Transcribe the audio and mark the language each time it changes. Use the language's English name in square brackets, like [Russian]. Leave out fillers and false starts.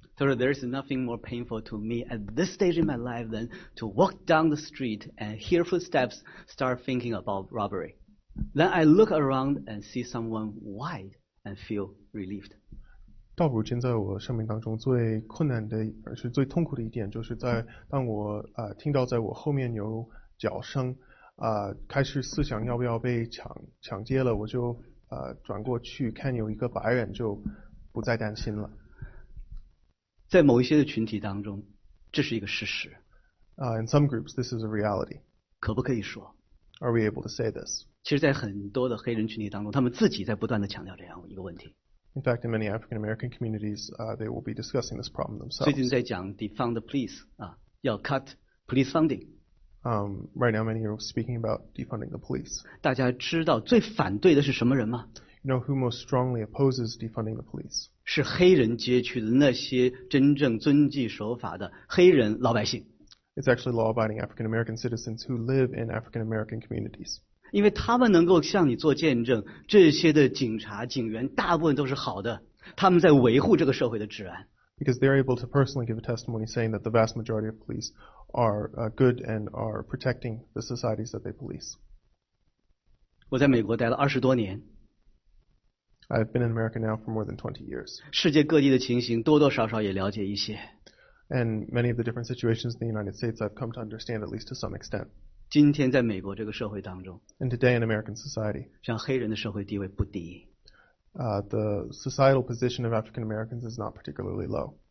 [English] So there is nothing more painful to me at this stage in my life than to walk down the street and hear footsteps start thinking about robbery. Then I look around and see someone white and feel relieved. [Chinese] 到如今在我生命当中最困难的而是最痛苦的一点就是在当我听到在我后面有脚声开始思想要不要被抢劫了我就转过去看有一个白人就不再担心了在某一些的群体当中这是一个事实 [English] In some groups this is a reality [Chinese] 可不可以说 [English] Are we able to say this [Chinese] 其实在很多的黑人群体当中他们自己在不断地强调这样一个问题 [English] In fact in many African American communities they will be discussing this problem themselves [Chinese] 最近在讲 [English] defund the police [Chinese] 要 [English] cut police funding Right now, many are speaking about defunding the police. [Chinese] 大家知道最反对的是什么人吗 [English] ？You know who most strongly opposes defunding the police? [Chinese] 是黑人街区的那些真正遵纪守法的黑人老百姓。 [English] It's actually law-abiding African American citizens who live in African American communities. [Chinese] 因为他们能够向你做见证，这些的警察、警员大部分都是好的，他们在维护这个社会的治安。 [English] Because they're able to personally give a testimony saying that the vast majority of police. are good and are protecting the societies that they police. [Chinese] 我在美国待了二十多年。 [English] I've been in America now for more than 20 years. [Chinese] 世界各地的情形多多少少也了解一些。 [English] And many of the different situations in the United States I've come to understand at least to some extent. [Chinese] 今天在美国这个社会当中。 [English] And today in American society. [Chinese] 像黑人的社会地位不低。 [English] The societal position of African Americans is not particularly low.